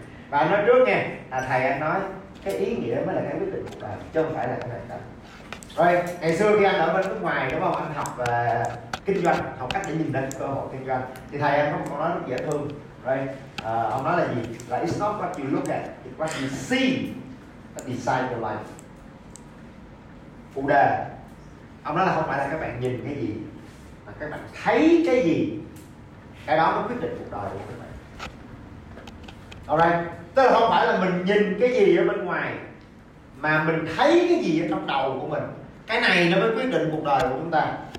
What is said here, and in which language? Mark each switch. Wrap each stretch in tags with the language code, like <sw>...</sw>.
<vi>Và anh nói trước nha, thầy anh nói cái ý nghĩa mới là cái quyết định của bạn, chứ không phải là cái hoàn cảnh. Rồi, ngày xưa khi anh ở bên nước ngoài, đúng không, anh học kinh doanh, học cách để nhìn ra cơ hội kinh doanh. Thì thầy em có nói rất dễ thương, right? Ông nói là gì?</vi> <en>Là it's not what you look at, it's what you see that decides your life.</en> <vi>Phụ đề, ông nói là không phải là các bạn nhìn cái gì, mà các bạn thấy cái gì, cái đó mới quyết định cuộc đời của các bạn. Alright, tức là không phải là mình nhìn cái gì ở bên ngoài, mà mình thấy cái gì ở trong đầu của mình, cái này nó mới quyết định cuộc đời của chúng ta.</vi>